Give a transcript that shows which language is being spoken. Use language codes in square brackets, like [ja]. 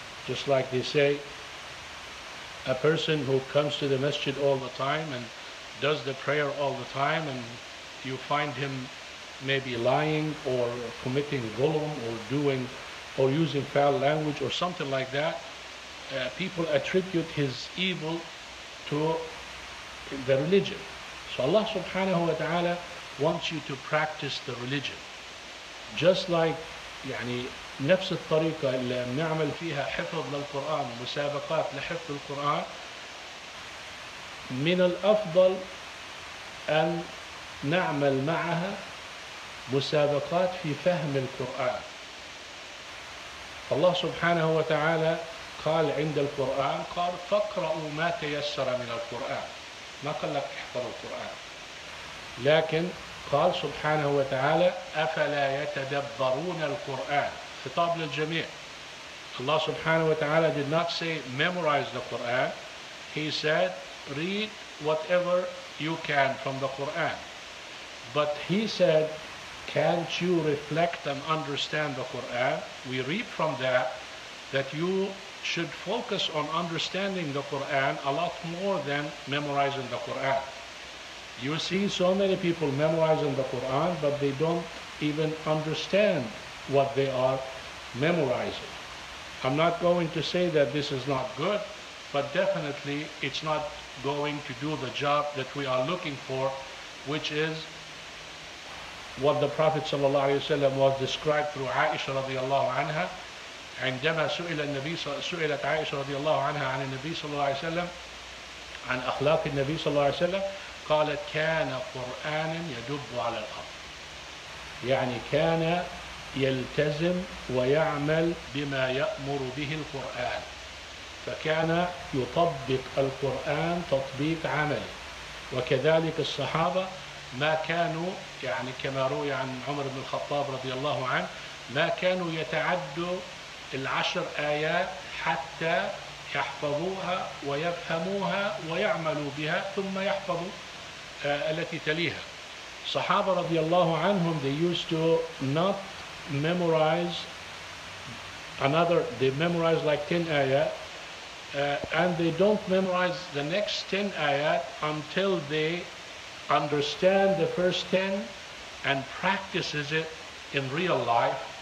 [en] Just like they say, a person who comes to the masjid all the time and does the prayer all the time, and you find him maybe lying or committing ghulam or doing or using foul language or something like that, people attribute his evil to the religion. So Allah subhanahu wa ta'ala wants you to practice the religion. Just like [ar] يعني نفس الطريقة اللي بنعمل فيها حفظ للقرآن ومسابقات لحفظ القرآن، من الأفضل أن نعمل معها مسابقات في فهم القرآن. الله سبحانه وتعالى قال عند القرآن، قال فاقرأوا ما تيسر من القرآن، ما قال لك احفظ القرآن، لكن قال سبحانه وتعالى أفلا يتدبرون القرآن، خطاب للجميع. الله سبحانه وتعالى [en] did not say memorize the Quran. He said read whatever you can from the Quran. But he said, can't you reflect and understand the Quran? We reap from that you should focus on understanding the Quran a lot more than memorizing the Quran. You see so many people memorizing the Quran, but they don't even understand what they are memorizing. I'm not going to say that this is not good, but definitely it's not going to do the job that we are looking for, which is what the Prophet sallallahu alaihi wasallam was described through Aisha radiallahu anha. [ar] عندما سئل النبي سئلت عائشة رضي الله عنها عن النبي صلى الله عليه وسلم عن أخلاق النبي صلى الله عليه وسلم قالت كان قرآن يدب على الأرض يعني كان يلتزم ويعمل بما يأمر به القرآن فكان يطبق القرآن تطبيق عملي وكذلك الصحابة ما كانوا يعني كما روي عن عمر بن الخطاب رضي الله عنه ما كانوا يتعدوا العشر آيات حتى يحفظوها ويفهموها ويعملوا بها ثم يحفظوا التي تليها. صحابة رضي الله عنهم [en] they used to not memorize another, they memorize like 10 آيات and they don't memorize the next 10 آيات until they understand the first 10 and practices it in real life.